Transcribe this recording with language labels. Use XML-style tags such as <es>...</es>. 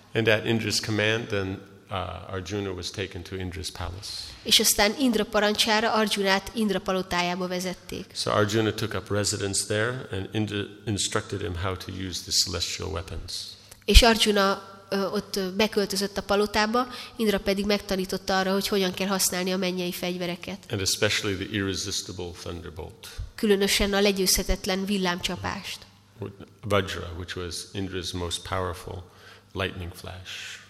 <en>And at Indra's command, then Arjuna was taken to Indra's palace.</en> <hu>És aztán Indra parancsára Arjunát Indra palotájába vezették.</hu> <en>So Arjuna took up residence there, and Indra instructed him how to use the celestial weapons.</en> <hu>És Arjuna ott beköltözött a palotába, Indra pedig megtanította arra, hogy hogyan kell használni a mennyei fegyvereket.</hu> <en>And especially the irresistible thunderbolt.</en> <hu>Különösen a legyőzhetetlen villámcsapást.</hu> <en>Vajra, which was Indra's most powerful lightning flash.</en>